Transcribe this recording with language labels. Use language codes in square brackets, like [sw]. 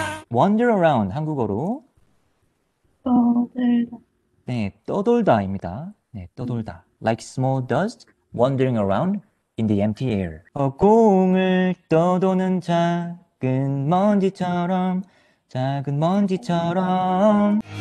[ko] 원더 어라운드, 한국어로. 네, 떠돌다입니다. 네, 떠돌다. [en] Like small dust, wandering around in the empty air. [ko] 허공을 떠도는 작은 먼지처럼, 작은 먼지처럼.